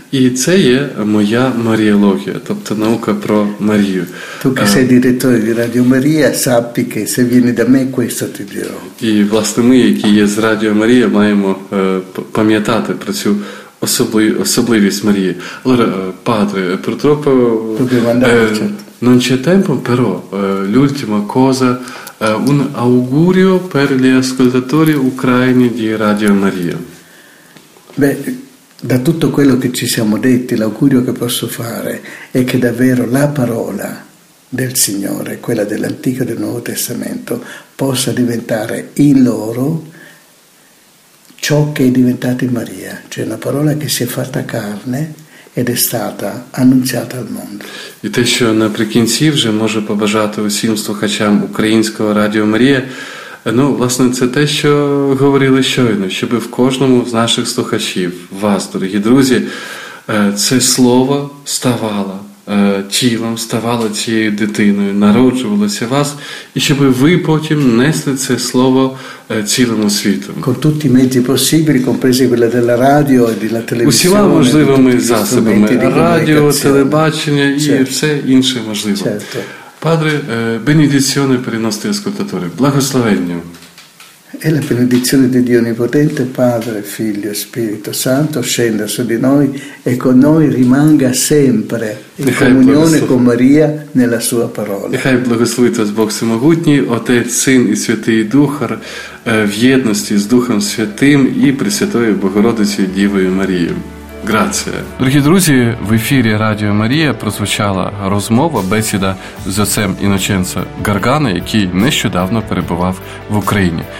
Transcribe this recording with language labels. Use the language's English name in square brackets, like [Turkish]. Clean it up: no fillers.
[Ukrainian] І це є моя Маріологія, тобто наука про Марію. [Italian] Tu che sei direttore di Radio Maria, sappi che se vieni da me, questo ti dirò. [Ukrainian] І, власне, ми, які є з Радіо Марія, маємо пам'ятати про цю особливість Марії. [Italian] Allora, padre, purtroppo... Dobbiamo andare, certo. Non c'è tempo, però l'ultima cosa, un augurio per gli ascoltatori ucraini di Radio Maria. Beh, da tutto quello che ci siamo detti, l'augurio che posso fare è che davvero la parola del Signore, quella dell'Antico e del Nuovo Testamento, possa diventare in loro ciò che è diventato in Maria, cioè una parola che si è fatta carne ed è stata annunciata al mondo. [Ukrainian] І те, що наприкінці вже можу побажати усім слухачам українського Радіо Марія, ну, власне, це те, що говорили щойно, щоб в кожному з наших слухачів, вас, дорогі друзі, це слово ставало тілом, ставало цією дитиною, народжувалося вас, і щоб ви потім несли це слово цілому світу. [Italian] Con tutti i mezzi possibili, compresi quella della radio e della televisione. [Ukrainian] Усіма можливими засобами, радіо, телебачення і [Italian] certo. [Ukrainian] Все інше можливе. [Italian] Certo. Padre, benedizione per i nostri ascoltatori. [Ukrainian] Благословення. [Italian] E la benedizione di Dio Onnipotente, Padre, Figlio e Spirito Santo, scenda su di noi e con noi rimanga sempre in comunione con Maria nella Sua parola. [Ukrainian] Нехай благословить вас Бог Всемогутній, Отець, Син і Святий Дух, в єдності з Духом Святим і Пресвятою Богородицею Дівою Марією. [Italian] Grazie. [Ukrainian] Дорогі друзі, в ефірі Радіо Марія прозвучала розмова, бесіда з отцем Іноченцем Гаргана, який нещодавно перебував в Україні.